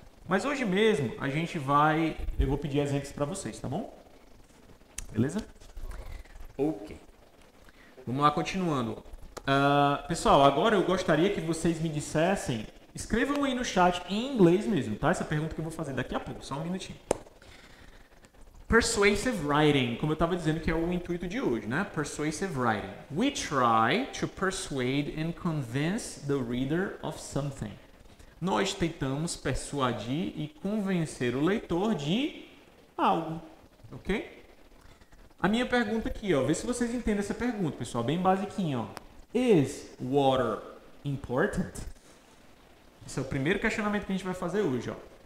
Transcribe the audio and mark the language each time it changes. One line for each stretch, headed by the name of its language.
Portuguese: Mas hoje mesmo, a gente vai... Eu vou pedir exemplos para vocês, tá bom? Beleza? Ok. Vamos lá, continuando. Pessoal, agora eu gostaria que vocês me dissessem... Escrevam aí no chat, em inglês mesmo, tá? Essa pergunta que eu vou fazer daqui a pouco, só um minutinho. Persuasive writing, como eu estava dizendo que é o intuito de hoje, né?
English: Persuasive writing. We try to persuade and convince the reader of something.
Portuguese: Nós tentamos persuadir e convencer o leitor de algo, ok? A minha pergunta aqui, ó, vê se vocês entendem essa pergunta, pessoal, bem basiquinho, ó.
English: Is water important?
Portuguese: Esse é o primeiro questionamento que a gente vai fazer hoje, ó.